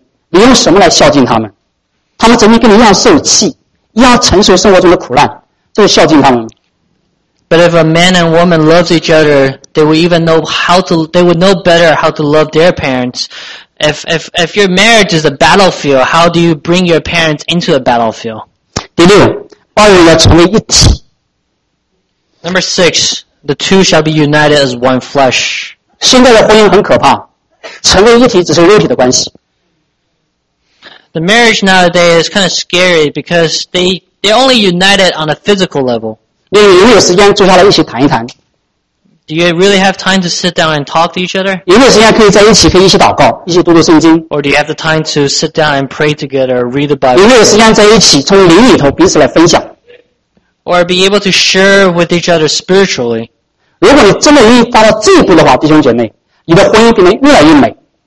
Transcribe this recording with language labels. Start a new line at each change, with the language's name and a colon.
Chinese: 如果一个儿女,他彼此相爱,他就知道我怎么样爱我的父亲,爱我的母亲。如果你夫妻之间彼此都没有相爱的话,家庭已经是一个战场。这时候你的父母跟你在一起,亲爱的弟兄姐妹,你用什么来孝敬他们?他们曾经跟你一样受气,一样承受生活中的苦难,这是孝敬他们。
English: But if a man and woman love each other, they would even know how to, they would know better how to love their parents. If your marriage is a battlefield, how do you bring your parents into a battlefield?
Chinese: 第六, 二人要成为一体。
English: Number six, the two shall be united as one flesh.
Chinese: 现在的婚姻很可怕, 成为一体只是肉体的关系。
English: The marriage nowadays is kind of scary because they're only united on a physical level.
Chinese: 你有没有时间坐下来一起谈一谈?
English: Do you really have time to sit down and talk to each other?
Chinese: 有没有时间可以在一起可以一起祷告,一起读读圣经?
English: Or do you have the time to sit down and pray together or read the Bible?
Chinese: 有没有时间在一起从灵里头彼此来分享?
English: Or be able to share with each other spiritually?
Chinese: 如果你真的愿意达到这一步的话,弟兄姐妹, 你的婚姻变得越来越美。